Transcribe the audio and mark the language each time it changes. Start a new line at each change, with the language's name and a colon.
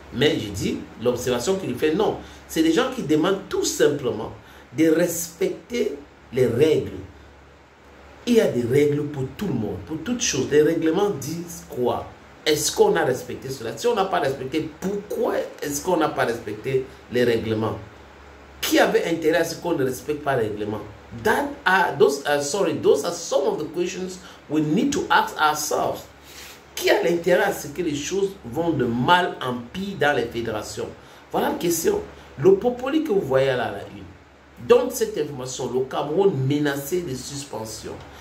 French: Mais je dis, l'observation qu'il fait, non. C'est des gens qui demandent tout simplement de respecter les règles. Il y a des règles pour tout le monde, pour toutes choses. Les règlements disent quoi? Est-ce qu'on a respecté cela? Si on n'a pas respecté, pourquoi est-ce qu'on n'a pas respecté les règlements? Qui avait intérêt à ce qu'on ne respecte pas les règlements?
English: Those are some of the questions we need to ask ourselves.
French: Qui a l'intérêt à ce que les choses vont de mal en pire dans les fédérations? Voilà la question. Le popoli que vous voyez là à la une, donc cette information, le Cameroun menacé de suspension.